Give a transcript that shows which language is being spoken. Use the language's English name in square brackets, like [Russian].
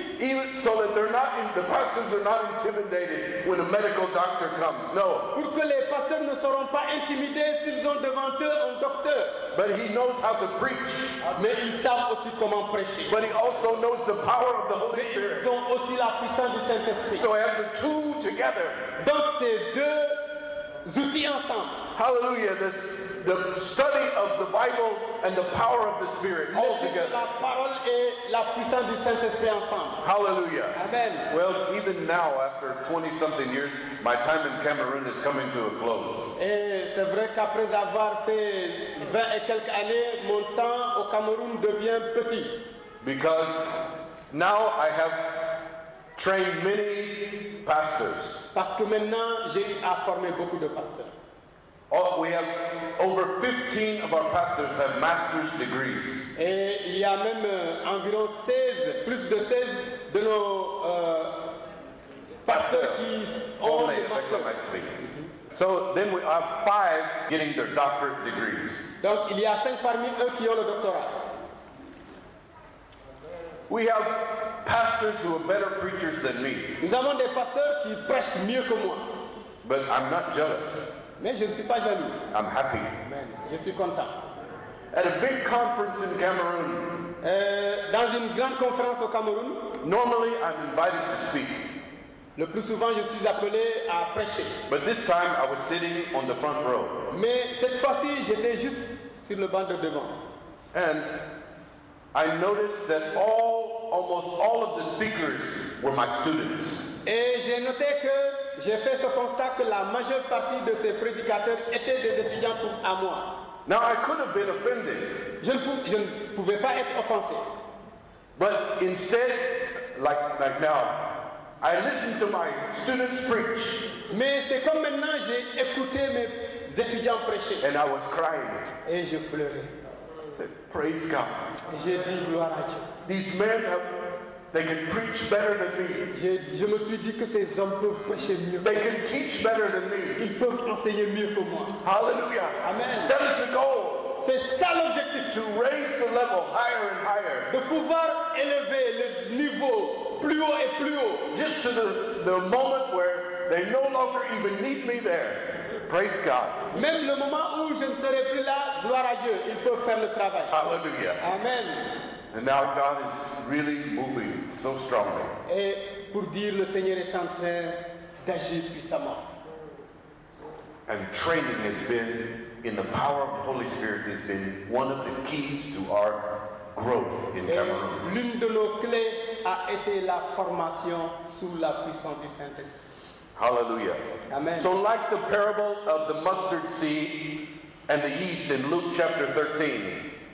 [English] Even so that they're not, the pastors are not intimidated when a medical doctor comes. No. [French] Pour que les pasteurs ne seront pas intimidés s'ils ont devant eux un docteur. [English] But he knows how to preach. [French] Mais ils savent aussi comment prêcher. [English] But he also knows the power of the Holy Spirit. [French] Mais ils ont aussi la puissance du Saint-Esprit. [English] So I have the two together. [French] Donc ces deux outils ensemble. [English] Hallelujah. This the study of the Bible and the power of the Spirit all together. [French] La parole et la puissance du Saint-Esprit ensemble. [English] Hallelujah. Amen. Well, even now, after 20-something years, my time in Cameroon is coming to a close. [French] Et c'est vrai qu'après avoir fait 20 et quelques années, mon temps au Cameroun devient petit. [English] Because now I have trained many pastors. [French] Parce que maintenant, j'ai eu à former beaucoup de pasteurs. [English] Oh, we have over 15 of our pastors have master's degrees. [French] Et il y a même environ 16, plus de 16 de nos pasteurs qui ont des masters. [English] So then we have 5 getting their doctorate degrees. [French] Donc il y a 5 parmi eux qui ont le doctorat. [English] We have pastors who are better preachers than me. [French] Nous avons des pasteurs qui prêchent mieux que moi. [English] But I'm not jealous. [French] Mais je ne suis pas jaloux. [English] I'm happy. [French] Amen. Je suis content. [English] At a big conference in Cameroon. [French] Dans une grande conférence au Cameroun. [English] Normally I'm invited to speak. [French] Le plus souvent je suis appelé à prêcher. [English] But this time I was sitting on the front row. [French] Mais cette fois-ci j'étais juste sur le banc de devant. [English] And I noticed that almost all of the speakers were my students. [French] Et j'ai noté que j'ai fait ce constat que la majeure partie de ces prédicateurs étaient des étudiants pour à moi. [English] Now I could have been offended. [French] Je ne pouvais pas être offensé. [English] But instead, like now, I listened to my students preach. [French] Mais c'est comme maintenant j'ai écouté mes étudiants prêcher. [English] And I was crying. [French] Et je pleurais. [English] I said, praise God. [French] J'ai dit gloire à Dieu. [English] These men have. They can preach better than me. [French] Je me suis dit que ces hommes peuvent prêcher mieux. [English] They can teach better than me. [French] Ils peuvent enseigner mieux que moi. [English] Hallelujah. Amen. That is the goal. [French] C'est ça l'objectif. [English] To raise the level higher and higher. [French] De pouvoir élever le niveau plus haut et plus haut. [English] Just to the moment where they no longer even need me there. Praise God. [French] Même le moment où je ne serai plus là, gloire à Dieu, ils peuvent faire le travail. [English] Hallelujah. Amen. And now God is really moving so strongly. [French] Et pour dire, le Seigneur est en train d'agir puissamment. [English] And training has been, in the power of the Holy Spirit, has been one of the keys to our growth in Cameroon. [French] Et l'une de nos clés a été la formation sous la puissance du Saint-Esprit. [English] Hallelujah. Amen. So like the parable of the mustard seed and the yeast in Luke chapter 13.